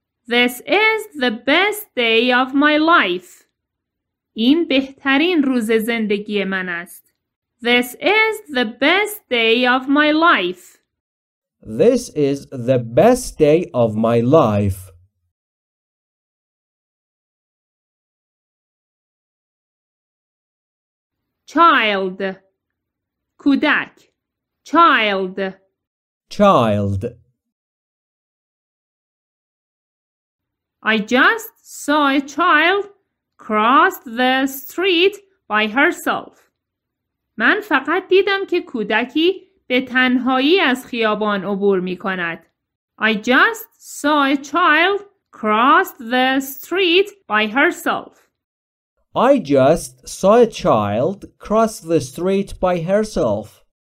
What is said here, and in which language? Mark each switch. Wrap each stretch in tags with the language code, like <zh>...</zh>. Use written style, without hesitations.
<en>This is the best day of my life.</en> <fa>این بهترین روز زندگی من است.</fa> <en>This is the best day of my life. This is the best day of my life. Child. کودک. Child. Child. I just saw a child cross the street by herself.</en> <fa>من فقط دیدم که کودکی به تنهایی از خیابان عبور می کند.</fa> <en>I just saw a child cross the street by herself. I just saw a child cross the street by herself.</en>